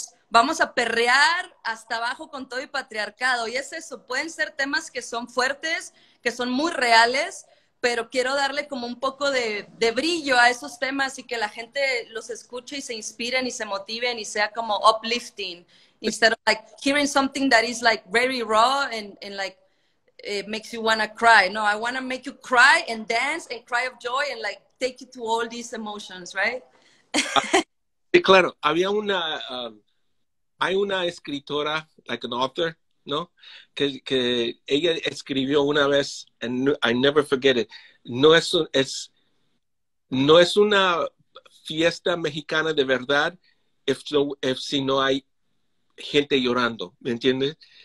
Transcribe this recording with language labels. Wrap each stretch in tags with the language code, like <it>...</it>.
<es>Vamos a perrear hasta abajo con todo y patriarcado. Y es eso, pueden ser temas que son fuertes, que son muy reales, pero quiero darle como un poco de brillo a esos temas y que la gente los escuche y se inspiren y se motiven y sea como uplifting.</es> <en>Instead of like hearing something that is like very raw and like it makes you wanna cry. No, I wanna make you cry and dance and cry of joy and like take you to all these emotions, right?</en> <es>Sí, claro. Había una, hay una escritora,</es> <en>like an author,</en> <es>¿no? Que ella escribió una vez,</es> <en>and I never forget it,</en> <es>no es una fiesta mexicana de verdad si no hay gente llorando, ¿me entiendes?</es>